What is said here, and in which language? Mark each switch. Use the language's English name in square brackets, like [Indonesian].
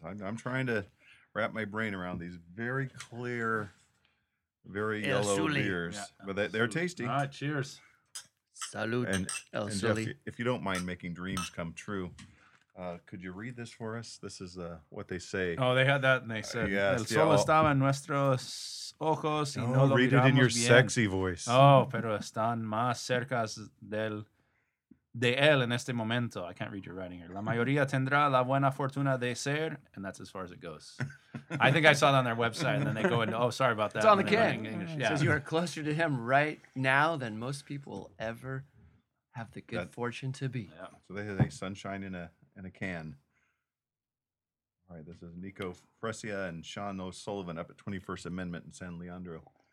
[English] I'm trying to wrap my brain around these very clear... Very yellow beers, but they're tasty. All right, cheers. Salute, El Suli. Jeff, if you don't mind making dreams come true, could you read this for us? This is what they say. Oh, they had that, and they said, yes, [Spanish] El sol estaba en nuestros ojos y no lo [English] read [Spanish] miramos [English] it in your [Spanish] bien. [English] Sexy voice. [Spanish] Oh, pero están más cerca de él en este momento. [English] I can't read your writing here. [Spanish] La mayoría tendrá la buena fortuna de ser, [English] and that's as far as it goes. I think I saw it on their website, and then they go into, oh, sorry about that. It's on the can. It says you are closer to him right now than most people will ever have the good fortune to be. Yeah. So they have a sunshine in a can. All right, this is Nico Fresia and Sean O'Sullivan up at 21st Amendment in San Leandro.